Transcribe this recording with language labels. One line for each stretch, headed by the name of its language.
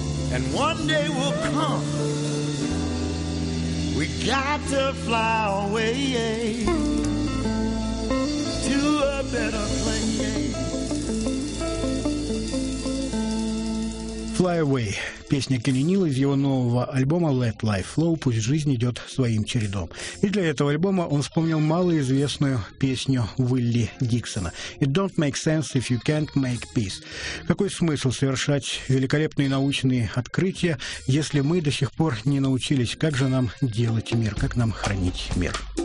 English: And one day will come, we got to fly away, yeah, to a better place. Yeah. Fly Away.
Russian: Песня Кенни Нила из его нового альбома Let Life Flow, «Пусть жизнь идет своим чередом». И для этого альбома он вспомнил малоизвестную песню Уилли Диксона.
English: It don't make sense if you can't make peace.
Russian: Какой смысл совершать великолепные научные открытия, если мы до сих пор не научились, как же нам делать мир, как нам хранить мир?